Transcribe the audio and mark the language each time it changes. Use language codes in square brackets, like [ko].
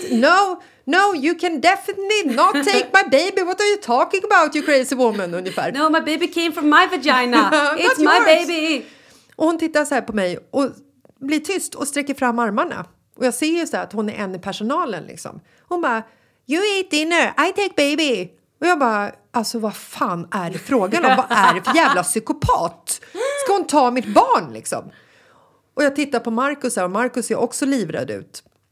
[en] No, no, you can definitely not take my baby. What are you talking about, you crazy woman, [sv] ungefär. [en] No, my baby came from my vagina. It's my yours. Baby. [sv] Och hon tittar så här på mig och blir tyst och sträcker fram armarna. Och jag ser ju så här att hon är en i personalen liksom. Hon bara, [en] you eat dinner, I take baby. [sv] Och jag bara, alltså vad fan är det frågan om? Vad är det för jävla psykopat? Ska hon ta mitt barn liksom? Och jag tittar på Marcus här, och Marcus ser också livrädd ut.